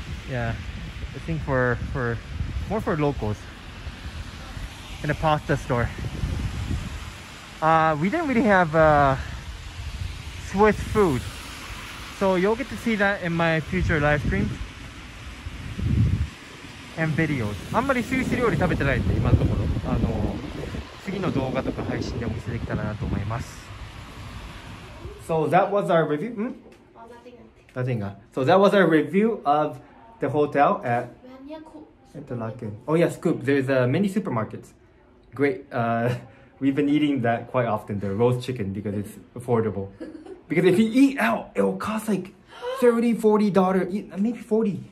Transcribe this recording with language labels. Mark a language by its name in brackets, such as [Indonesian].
[English] Yeah, I think for more for locals. And a pasta store. We didn't really have Swiss food. So you'll get to see that in my future live streams and videos. [Japanese] あんまりスイス料理食べてないんで、今のところ。次の動画とか配信でお見せできたらなと思います。 [English] So that was our review. Hmm? Nothing. So that was our review of the hotel at Interlaken. Oh yeah, Scoop. There's many supermarkets. Great. We've been eating that quite often, the roast chicken, because it's affordable. Because if you eat out, it will cost like $30-$40, maybe $40.